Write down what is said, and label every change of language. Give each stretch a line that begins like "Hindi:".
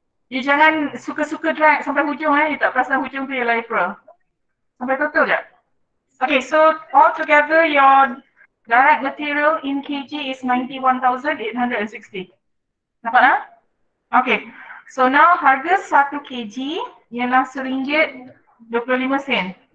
Malay: You jangan suka-suka drag sampai hujung eh. You tak perasan hujung tu ialah April. Sampai total je.
English: Okay, so all together your direct material in kg is 91,860.
Malay: Nampak tak? Okay, so now harga 1 kg ialah RM1.25.